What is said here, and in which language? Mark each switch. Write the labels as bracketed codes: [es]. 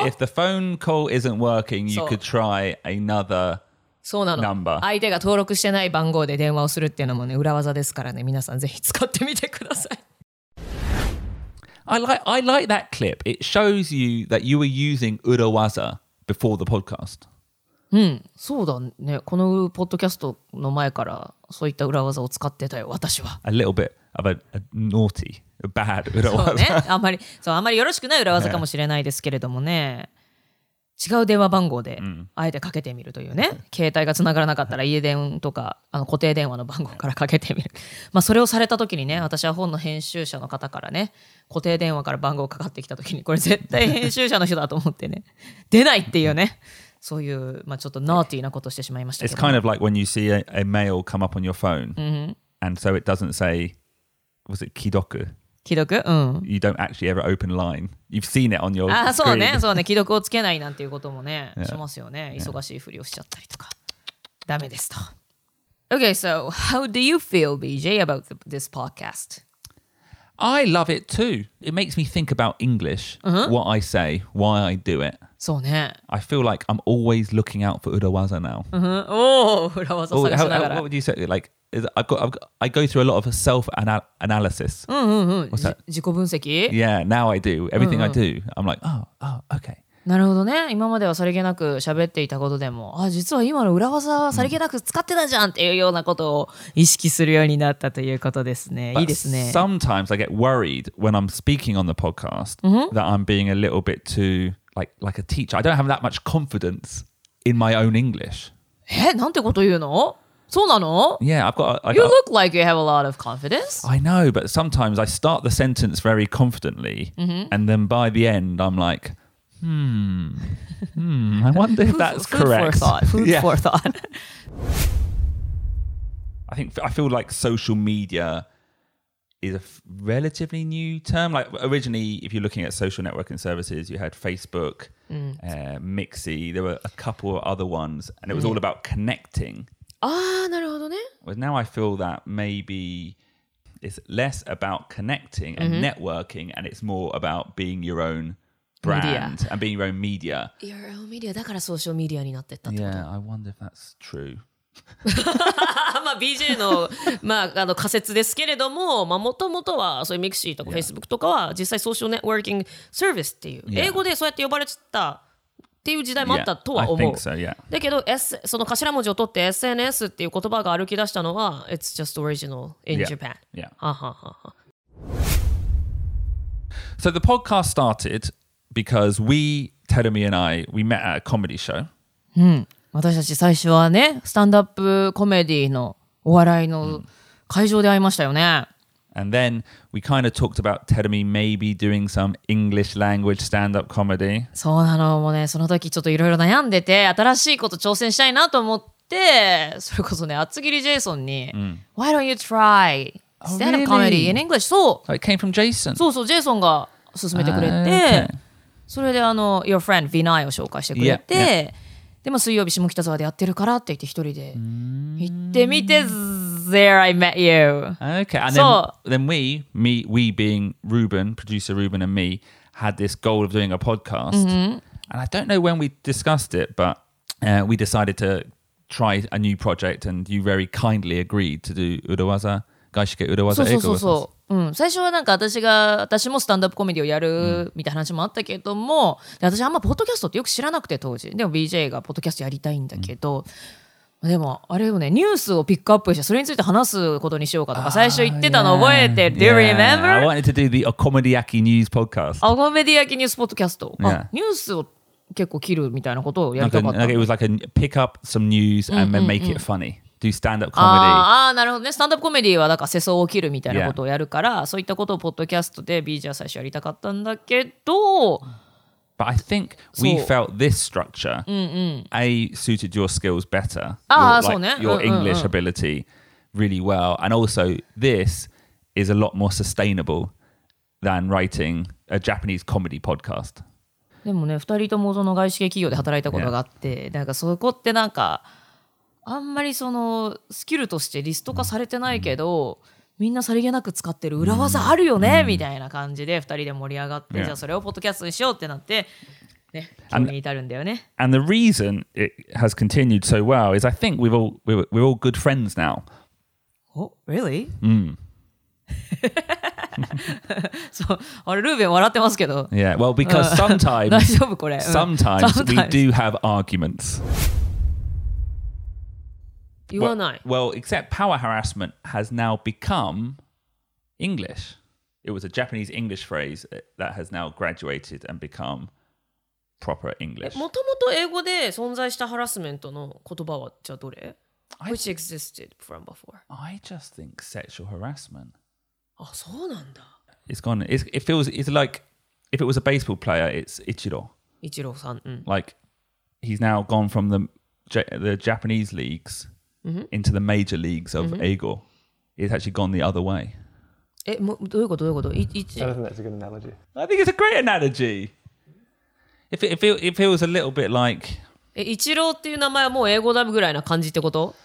[en] If the phone call isn't working, you could try another number. [ja] そうなの。相手が登録してない番号で電話をするっていうのもね、裏技ですからね。皆さんぜひ使ってみてください。 [en] I like that clip. It shows you that you were using 裏技 before the podcast. [ja] うん、そうだね。このポッドキャストの前からそういった裏技を使ってたよ、私は。 [en] A little bit of a naughty, a bad 裏技。 [ja] そうね、あんまり、そう、あんまりよろしくない裏技かもしれないですけれどもね。違う電話番号であえてかけてみるというね、うん、携帯がつながらなかったら家電とかあの固定電話の番号からかけてみる。まあそれをされた時にね、私は本の編集者の方からね、固定電話から番号かかってきた時にこれ絶対編集者の人だと思ってね出ないっていうね、そういう、まあ、ちょっとナーティーなことをしてしまいましたけど。 [en] It's kind of like when you see a mail come up on your phone、mm-hmm. and so it doesn't say was it 既読 [ja] 既読、うん、 [en] You don't actually ever open line. You've seen it on your screen. [ja] あ、そうね、そうね、既読をつけないなんていうこともね、yeah. しますよね。忙しいふりをしちゃったりとか。ダメですと。 [en] Okay, so how do you feel, BJ, about this podcast? I love it too. It makes me think about English,、uh-huh. what I say, why I do it. [ja] そうね。 [en] I feel like I'm always looking out for 裏技 now.、 [ja] Uh-huh. Oh, 裏技探しながら。 [en] What would you say? Like,I go through a lot of self analysis. What's that? 自己分析? Yeah, now I do. Everything I do, I'm like, oh, okay. [ja] なるほどね。今まではさりげなく喋っていたことでも、あ、実は今の裏技はさりげなく使ってたじゃんっていうようなことを意識するようになったということですね。いいですね。 [en] Sometimes I get worried when I'm speaking on the podcast that I'm being a little bit too, like a teacher. I don't have that much confidence in my own English. [ja] え、なんてこと言うの?そうなの? [en] Yeah, I've got... You look like you have a lot of confidence. I know, but sometimes I start the sentence very confidently,、mm-hmm. and then by the end, I'm like, I wonder if that's correct. Food for thought. Food、yeah. for thought. I feel like social media is a relatively new term. Like, originally, if you're looking at social networking services, you had Facebook,、Mixi, there were a couple of other ones, and it was、all about connecting. [ja] ああ、なるほどね。 [en] Well, now I feel that maybe it's less about connecting and networking、mm-hmm. and it's more about being your own brand、media. And being your own media. Your own media. [ja] だからソーシャルメディアになってったってこと。 [en] Yeah, I wonder if that's true. [ja] まあ BJ の、まあ、あの仮説ですけれども、まあ元々はそういうミクシーとか Facebook とかは実際ソーシャルネットワーキングサービスっていう、英語でそうやって呼ばれてた。っていう時代もあったとは思う。 [en] Yeah, so, yeah. [ja] だけど、その頭文字を取って SNS っていう言葉が歩き出したのは、 [en] It's just original in Japan. Yeah. Yeah. So the podcast started because we, Terumi and I, we met at a comedy show. [ja] うん。私たち最初はね、スタンドアップコメディのお笑いの会場で会いましたよね。 [en] And then we kind of talked about Terumi maybe doing some English language stand-up comedy. [ja] そうなの、もうね、その時ちょっといろいろ悩んでて、新しいこと挑戦したいなと思って、それこそね、厚切りジェイソンに、 [en] Why don't you try stand-up comedy in English? [ja] そう。 [en] It came from Jason. [ja] そうそう、ジェイソンが勧めてくれて、それであの、 [en] Your friend [ja] Vinay を紹介してくれて、yeah, yeah. でも水曜日下北沢でやってるからって言って一人で行ってみて、 [en] There I met you. Okay, and then we being Ruben, producer Ruben and me, had this goal of doing a podcast.、Mm-hmm. And I don't know when we discussed it, but、we decided to try a new project and you very kindly agreed to do 裏技、外資系裏技英語。 [ja] そうそうそう。うん、最初はなんか私もスタンドアップコメディをやるみたいな話もあったけども、うん、私あんまポッドキャストってよく知らなくて当時でも BJ がポッドキャストやりたいんだけど、うん、でもあれをねニュースをピックアップしてそれについて話すことにしようかとか最初言ってたの覚えて、 [en] Do you remember? I wanted to do the Akomediaki News podcast. Akomediaki News podcast. [ja] ニュースを結構切るみたいなことをやりたかった。 [en] Like it was like a pick up some news and then make it funny. Do stand-up comedy. [ja] ああ、なるほどね。スタンドアップコメディはなんか世相を切るみたいなことをやるから、yeah. そういったことをポッドキャストで BJ は最初やりたかったんだけど。 [en] But I think we felt this structure、A suited your skills better. ああ、そうね。 Your English ability really well. And also this is a lot more sustainable than writing a Japanese comedy podcast. [ja] でもね、二人ともその外資系企業で働いたことがあって、なんかそこってなんか、あんまりそのスキルとしてリスト化されてないけど、みんなさりげなく使ってる裏技あるよね、みたいな感じで二人で盛り上がって、じゃあそれをポッドキャストにしようってなって、ね、興味に至るんだよね。 [en] And the reason it has continued so well is I think we're all good friends now. Oh, really? Mm. [ja] そう、あれルーベン笑ってますけど。 [en] Yeah, well, because sometimes [ja] 大丈夫これ [en] sometimes we do have arguments. Well, except power harassment has now become English. It was a Japanese English phrase that has now graduated and become proper English. [ja] もともと英語で存在したハラスメントの言葉はじゃあどれ? [en] Which existed from before? I just think sexual harassment. [ja] あ、そうなんだ。 [en] It's gone. It's like if it was a baseball player, it's Ichiro. [ja] Ichiro さん、うん。 [en] Like he's now gone from the Japanese leagues、mm-hmm. into the major leagues of、mm-hmm. Eigo. It's actually gone the other way. [ja] え、もどういうこと?どういうこと? [en] I don't think that's a good analogy. I think it's a great analogy. If it was a little bit like [ja] え、イチローっていう名前はもう英語だぐらいな感じってこと?